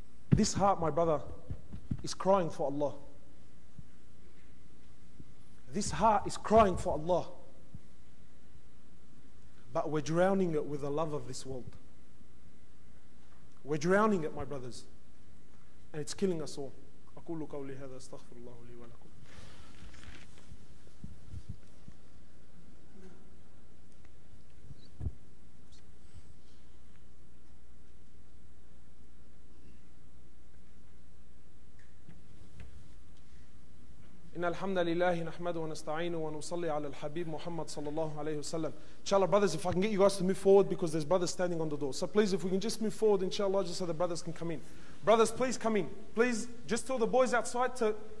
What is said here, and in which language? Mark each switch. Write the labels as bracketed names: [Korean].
[English] This heart, my brother, is crying for Allah. This heart is crying for Allah. But we're drowning it with the love of this world. We're drowning it, my brothers. And it's killing us all. [Arabic] أقول قولي هذا استغفر الله لي ولكم. إن الحمد لله نحمده ونستعينه ونصلي على الحبيب محمد صلى الله عليه وسلم. [English] Inshallah, brothers, if I can get you guys to move forward because there's brothers standing on the door. So please, if we can just move forward, inshallah, just so the brothers can come in. Brothers, please come in. Please, just tell the boys outside to...